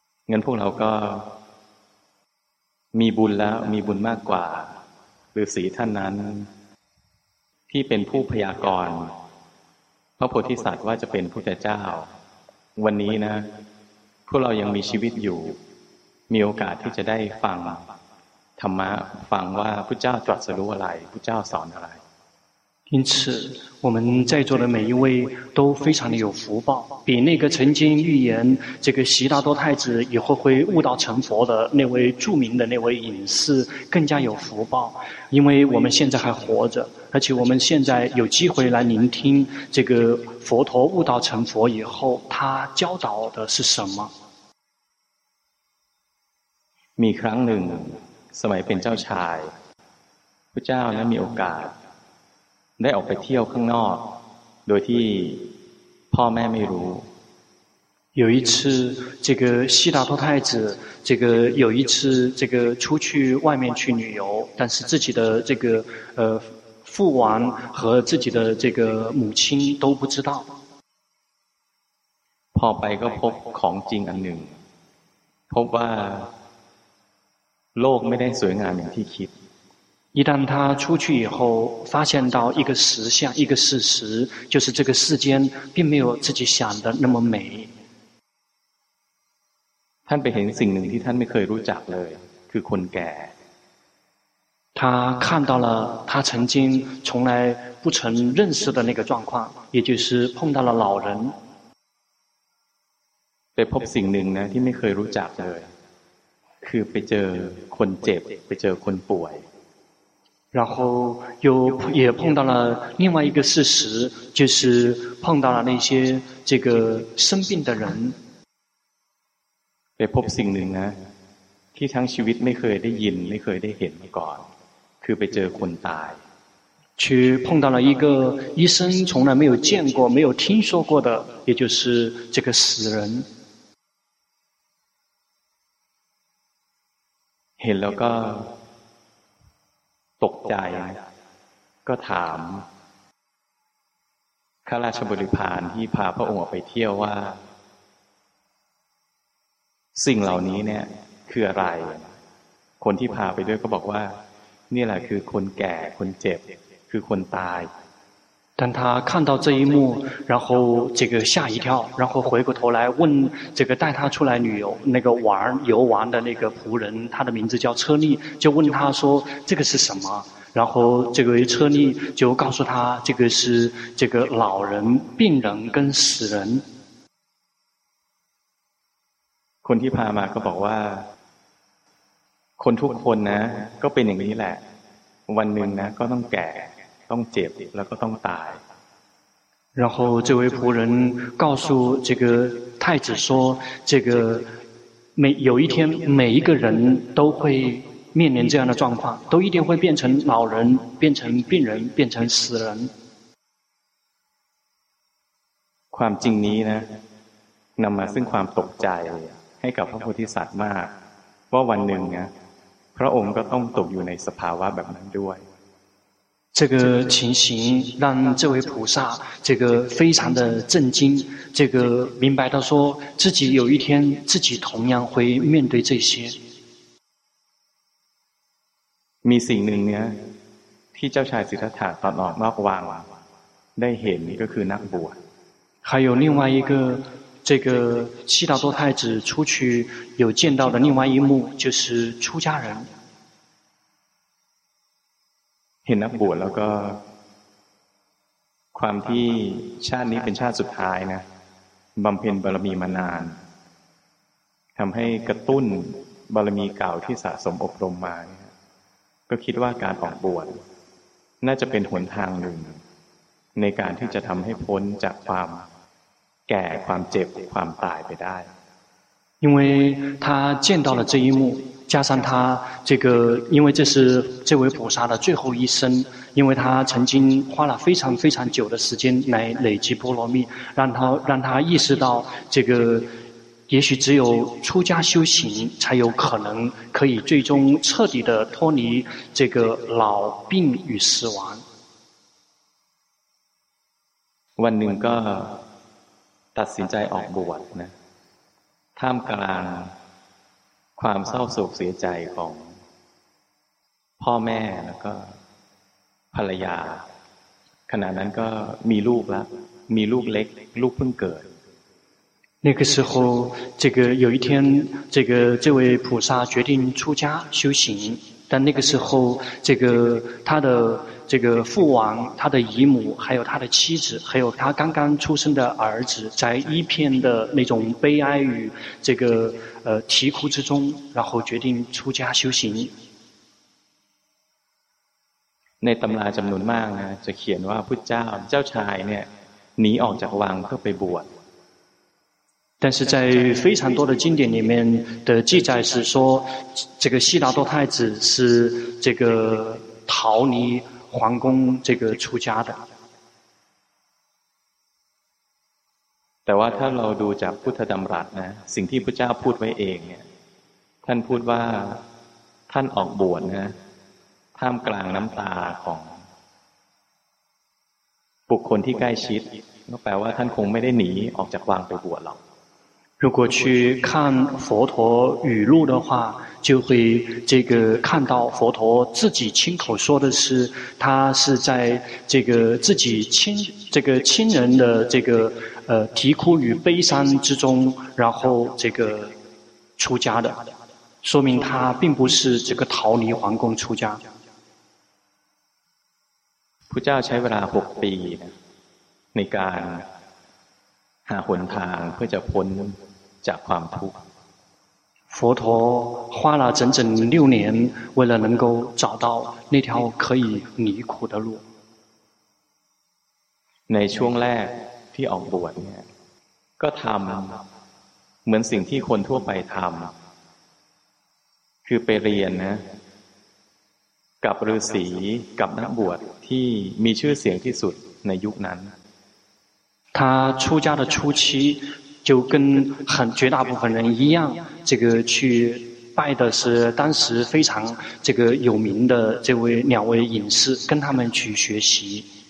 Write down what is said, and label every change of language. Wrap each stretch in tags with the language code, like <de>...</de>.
<th>งั้นพวกเราก็มีบุญแล้วมีบุญมากกว่าฤาษีท่านนั้นที่เป็นผู้พยากรณ์พระโพธิสัตว์ว่าจะเป็นพุทธเจ้าวันนี้นะพวกเรายังมีชีวิตอยู่มีโอกาสที่จะได้ฟังธรรมะฟังว่าพุทธเจ้าตรัสรู้อะไรพุทธเจ้าสอนอะไร</th> <zh>因此我们在座的每一位都非常的有福报比那个曾经预言这个悉达多太子以后会悟道成佛的那位著名的那位隐士更加有福报因为我们现在还活着而且我们现在有机会来聆听这个佛陀悟道成佛以后他教导的是什么</zh> <th>มีครั้งหนึ่งสมัยเป็นเจ้าชายพุทธเจ้านั้นมีโอกาสได้ออกไปเที่ยวข้างนอกโดยที่พ่อแม่ไม่รู้</th> <zh>有一次这个悉达多太子这个有一次这个出去外面去旅游但是自己的这个父王和自己的这个母亲都不知道</zh> <th>พอไปก็พบของจริงอันหนึ่งพบว่าโลกไม่ได้สวยงามอย่างที่คิด</th> <zh>一旦他出去以后发现到一个实相一个事实就是这个世间并没有自己想的那么美</zh> <th>ท่านไปเห็นสิ่งหนึ่งที่ท่านไม่เคยรู้จักเลยคือคนแก่</th> <zh>他看到了他曾经从来不曾认识的那个状况也就是碰到了老人</zh> <th>ไปพบสิ่งหนึ่งนะที่ไม่เคยรู้จักเลยคือไปเจอคนเจ็บไปเจอคนป่วย</th> <zh>然后又也碰到了另外一个事实就是碰到了那些这个生病的人</zh> <th>ไปพบสิ่งหนึ่งนะที่ทั้งชีวิตไม่เคยได้ยินไม่เคยได้เห็นมาก่อนคือไปเจอคนตาย</th> <zh>去碰到了一个医生从来没有见过没有听说过的也就是这个死人</zh> <th>เห็นแล้วก็ตกใจก็ถามข้าราชบริพารที่พาพระองค์ออกไปเที่ยวว่าสิ่งเหล่านี้เนี่ยคืออะไรคนที่พาไปด้วยก็บอกว่านี่แหละคือคนแก่คนเจ็บคือคนตาย</th> <zh>但他看到这一幕然后这个吓一跳然后回过头来问这个带他出来旅游那个玩游玩的那个仆人他的名字叫车利就问他说这个是什么然后这个车利就告诉他这个是这个老人病人跟死人</zh> <th>คนที่พามาก็บอกว่าคนทุกคนนะก็เป็นอย่างนี้แหละวันหนึ่งนะก็ต้องแก่ต้องเจ็บแล้วก็ต้องตาย</th> <zh>然后这位仆人告诉这个太子说这个每有一天每一个人都会面临这样的状况都一定会变成老人变成病人变成死人</zh> <th>ความจริงนี้นะนำมาซึ่งความตกใจให้กับพระโพธิสัตว์มากว่าวันหนึ่งนะพระองค์ก็ต้องตกอยู่ในสภาวะแบบนั้นด้วย</th> <zh>这个情形让这位菩萨这个非常的震惊这个明白到说自己有一天自己同样会面对这些</zh> <th>มีสิ่งหนึ่งเนี่ยที่เจ้าชายสิทธัตถะตอนออกนอกวังได้เห็นก็คือนักบวช</th> <zh>还有另外一个这个悉达多太子出去有见到的另外一幕就是出家人</zh> <th>เห็นนักบวชแล้วก็ความที่ชาตินี้เป็นชาติสุดท้ายนะบำเพ็ญบารมีมานานทำให้กระตุ้นบารมีเก่าที่สะสมอบรมมาก็คิดว่าการออกบวชน่าจะเป็นหนทางหนึ่งในการที่จะทำให้พ้นจากความแก่ความเจ็บความตายไปได้</th> <zh>因为他见到了这一幕加上他这个因为这是这位菩萨的最后一生因为他曾经花了非常非常久的时间来累积波罗蜜让他意识到这个也许只有出家修行才有可能可以最终彻底的脱离这个老病与死亡</zh> <th>วันหนึ่งก็ตัดสินใจออกบวชนะท่ามกลางความเศร้าโศกเสียใจของพ่อแม่แล้วก็ภรรยาขณะนั้นก็มีลูกแล้วมีลูกเล็กลูกเพิ่งเกิด</th> <zh>那个时候这个有一天这个这位菩萨决定出家修行但那个时候这个他的这个父王他的姨母还有他的妻子还有他刚刚出生的儿子在一片的那种悲哀与这个啼哭之中然后决定出家修行</zh> <th>ในตำราจำนวนมากนะจะเขียนว่าพุทธเจ้าชายเนี่ยหนีออกจากวังเพื่อไปบวช</th> <zh>但是在非常多的经典里面的记载是说这个悉达多太子是这个逃离皇宫这个出家的</zh> <th>แต่ว่าถ้าเราดูจากพุทธดำรัสนะสิ่งที่พระเจ้าพูดไว้เองเนี่ยท่านพูดว่าท่านออกบวชนะท่ามกลางน้ำตาของบุคคลที่ใกล้ชิดก็แปลว่าท่านคงไม่ได้หนีออกจากวังไปบวชหรอก</th> <zh>如果去看佛陀语录的话，就会这个看到佛陀自己亲口说的是，他是在这个自己亲这个亲人的这个啼哭与悲伤之中，然后这个出家的，说明他并不是这个逃离皇宫出家。</zh> <th>พุทธเจ้าใช้เวลา6ปีในการหาหนทางเพื่อจะพ้นจากความทุกข์</th> <zh>佛陀花了整整6年为了能够找到那条可以离苦的路</zh> <th>ในช่วงแรกที่ออกบวชเนี่ยก็ทำเหมือนสิ่งที่คนทั่วไปทำคือไปเรียนนะกับฤาษีกับนักบวชที่มีชื่อเสียงที่สุดในยุคนั้น</th> <zh>他出家的初期就跟很绝大部分人一样，这个去拜的是当时非常这个有名的这位两位隐士，跟他们去学习。</zh>